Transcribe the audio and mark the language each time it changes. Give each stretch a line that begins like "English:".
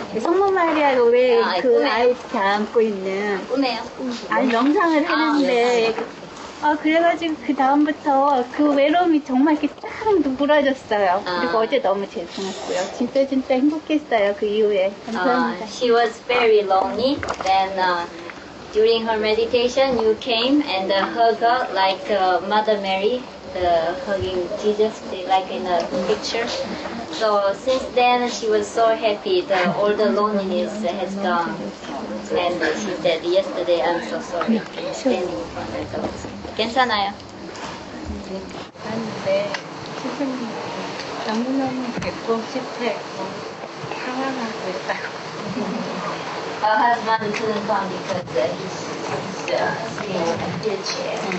Korean: 성모 마리아 노래 그 아이 담고 있는 꿈에요? 아니 명상을 하는데 아, 그래가지고 그 다음부터 그 외로움이 정말 이렇게 딱 누그러졌어요. 그리고 어제 너무 죄송했고요. 진짜 진짜 행복했어요. 그 이후에 감사합니다.
English: She was very lonely. Then during her meditation, you came and hug her like Mother Mary. Hugging Jesus like in a picture. So since then she was so happy that all the loneliness has gone. And she said yesterday I'm so sorry. Standing in front of the dogs.
Korean: 괜찮아요. 근데 너무너무 뵙고 싶어 사랑하고 있다고.
English: Her husband couldn't come because he's sitting in a wheelchair.